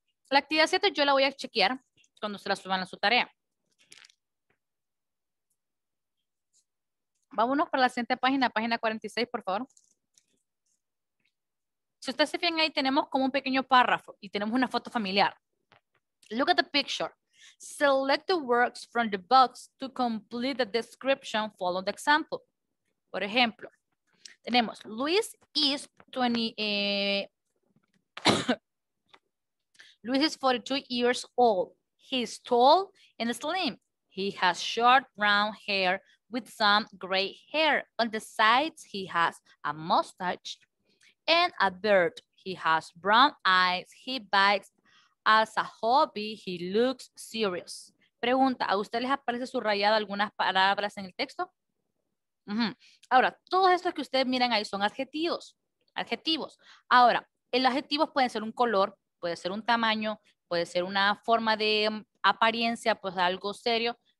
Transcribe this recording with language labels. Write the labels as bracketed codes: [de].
[es] La actividad 7 yo la voy a chequear cuando se la suban a su tarea. Vámonos para la siguiente página, página 46, por favor. Si ustedes se fijan ahí, tenemos como un pequeño párrafo y tenemos una foto familiar. [en] Look at the picture. Select the words from the box to complete the description. Follow the example. [es] Por ejemplo, tenemos, [en] Luis is 20, Luis is 42 years old. He's tall and slim. He has short brown hair with some gray hair. On the sides, he has a mustache and a beard. He has brown eyes. He bikes. As a hobby, he looks serious. [es] Pregunta, ¿a usted les aparece subrayada algunas palabras en el texto? Uh-huh. Ahora, todos estos que ustedes miran ahí son adjetivos. Adjetivos. Ahora, el adjetivo puede ser un color, puede ser un tamaño, puede ser una forma de apariencia, pues algo serio.